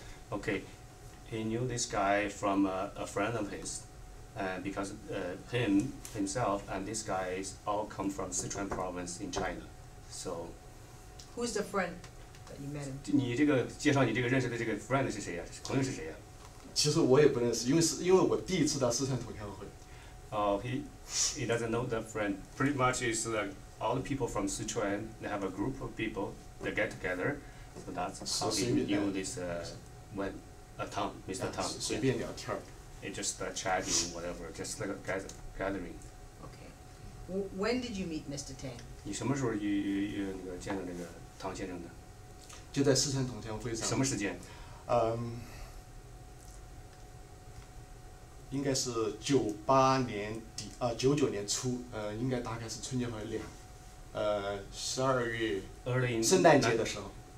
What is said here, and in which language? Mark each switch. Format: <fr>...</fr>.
<en>Okay, he knew this guy from a friend of his, because himself and this guy is all come from Sichuan province in China, so. Who's the friend that you met?</en> <zh>你这个介绍你这个认识的这个 friend 是谁呀？朋友是谁呀？其实我也不认识，因为我第一次到四川同乡会。</zh> <en>He doesn't know that friend. Pretty much is like. All the people from Sichuan, they have a group of people, they get together, so that's how we knew this, when, Tang, Mr. Tang. Yeah, it's just chatting, whatever, just like a gathering. When did you meet Mr. Tang?</en> <zh>你什么时候见到那个唐先生的？就在四川同乡会上。什么时间？应该是九八年底，九九年初，应该大概是春节回来，十二月，圣诞节的时候。</zh>